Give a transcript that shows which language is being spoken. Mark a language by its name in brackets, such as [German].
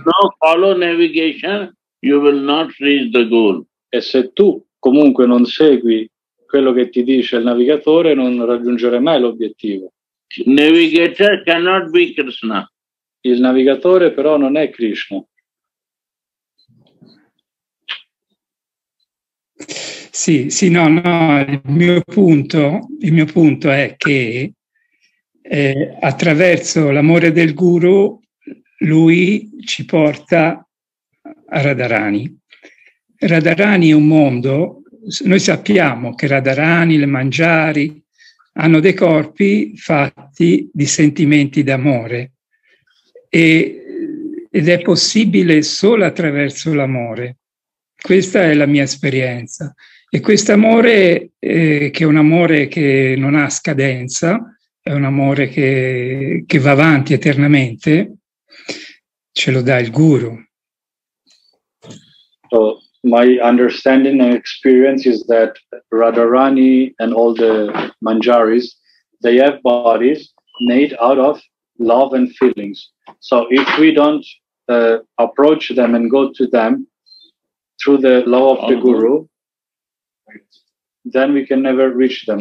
[English] No, follow navigation, you will not reach the goal. [Italian] E se tu comunque non segui quello che ti dice il navigatore, non raggiungerai mai l'obiettivo. [English] Navigator cannot be Krishna. [Italian] Il navigatore però non è Krishna. Sì, sì, no, no, il mio punto è che attraverso l'amore del guru lui ci porta a Radharani. Radharani è un mondo, noi sappiamo che Radharani, le Manjari, hanno dei corpi fatti di sentimenti d'amore. Ed è possibile solo attraverso l'amore. Questa è la mia esperienza. E questo amore, che è un amore che non ha scadenza, è un amore che va avanti eternamente, ce lo dà il guru. [English] So, my understanding and experience is that Radharani and all the Manjaris, they have bodies made out of love and feelings. So if we don't approach them and go to them through the love of the guru, then we can never reach them.